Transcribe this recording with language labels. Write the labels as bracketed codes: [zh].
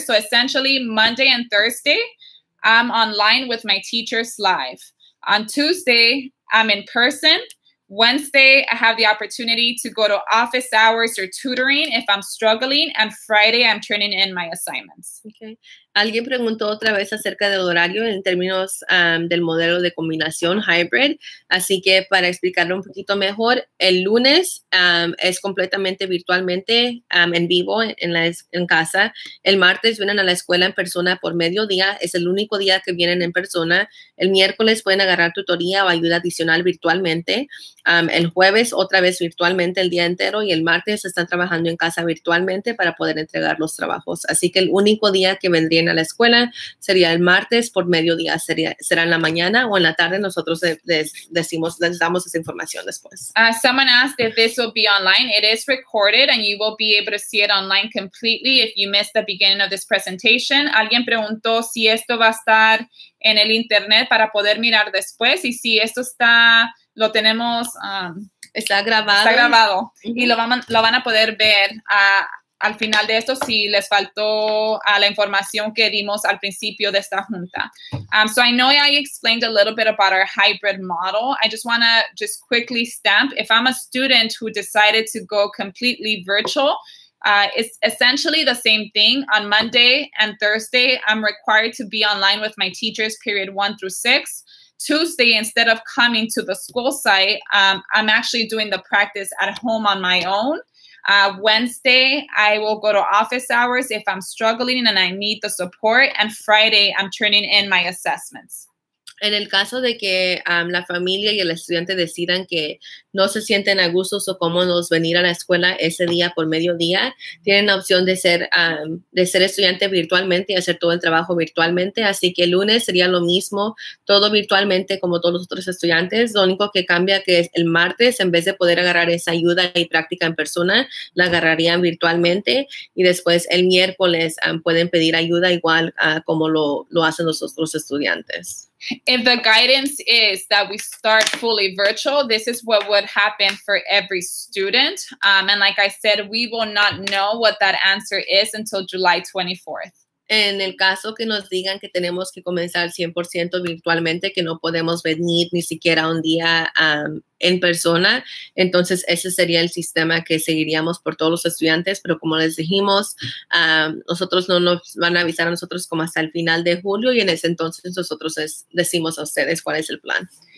[en] So essentially, Monday and Thursday, I'm online with my teachers live. On Tuesday, I'm in person. Wednesday, I have the opportunity to go to office hours or tutoring if I'm struggling, and Friday, I'm turning in my assignments. Okay. [es] Alguien preguntó otra vez acerca del horario en términos del modelo de combinación hybrid. Así que para explicarlo un poquito mejor, el lunes es completamente virtualmente en vivo en casa. El martes vienen a la escuela en persona por mediodía. Es el único día que vienen en persona. El miércoles pueden agarrar tutoría o ayuda adicional virtualmente. El jueves otra vez virtualmente el día entero. Y el martes están trabajando en casa virtualmente para poder entregar los trabajos. Así que el único día que vendría a la escuela sería el martes por mediodía, será en la mañana o en la tarde. Nosotros les damos esa información después. [en] Someone asked if this will be online. It is recorded and you will be able to see it online completely if you missed the beginning of this presentation. [es] Alguien preguntó si esto va a estar en el internet para poder mirar después y si esto está, lo tenemos, está grabado. Está grabado. Mm-hmm. Y lo van a poder ver al final de esto, si les faltó a la información que dimos al principio de esta junta. [en] So I know I explained a little bit about our hybrid model. I just want to just quickly stamp. If I'm a student who decided to go completely virtual, it's essentially the same thing. On Monday and Thursday, I'm required to be online with my teachers, period 1 through 6. Tuesday, instead of coming to the school site, I'm actually doing the practice at home on my own. Wednesday, I will go to office hours if I'm struggling and I need the support. And Friday, I'm turning in my assessments. [es] En el caso de que la familia y el estudiante decidan que no se sienten a gustos o cómodos venir a la escuela ese día por mediodía, tienen la opción de ser estudiante virtualmente y hacer todo el trabajo virtualmente. Así que el lunes sería lo mismo, todo virtualmente como todos los otros estudiantes. Lo único que cambia que es el martes, en vez de poder agarrar esa ayuda y práctica en persona, la agarrarían virtualmente. Y después el miércoles pueden pedir ayuda igual como lo hacen los otros estudiantes. [en] If the guidance is that we start fully virtual, this is what would happen for every student. And like I said, we will not know what that answer is until July 24th. [es] En el caso que nos digan que tenemos que comenzar 100% virtualmente, que no podemos venir ni siquiera un día en persona, entonces ese sería el sistema que seguiríamos por todos los estudiantes. Pero como les dijimos, nosotros no nos van a avisar a nosotros como hasta el final de julio, y en ese entonces nosotros decimos a ustedes cuál es el plan.